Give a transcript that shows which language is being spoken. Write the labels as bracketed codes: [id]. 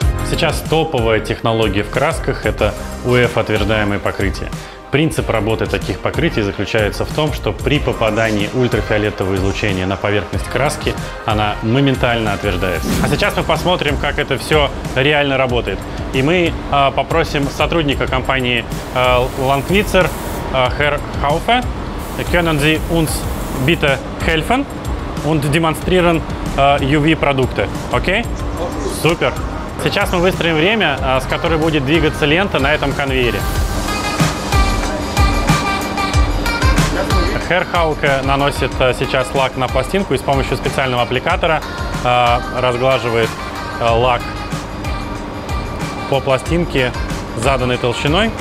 [ru] Сейчас топовая технология в красках – это UF-утверждаемые покрытия. Принцип работы таких покрытий заключается в том, что при попадании ультрафиолетового излучения на поверхность краски она моментально утверждается. А сейчас мы посмотрим, как это все реально работает. И мы попросим сотрудника компании Ланфицер, [de] Herr Haufe, können Sie uns bitte helfen und demonstrieren UV-продукты. [ru] Окей? Супер! Сейчас мы выстроим время, с которой будет двигаться лента на этом конвейере. Herr Haufe наносит сейчас лак на пластинку и с помощью специального аппликатора разглаживает лак по пластинке заданной толщиной.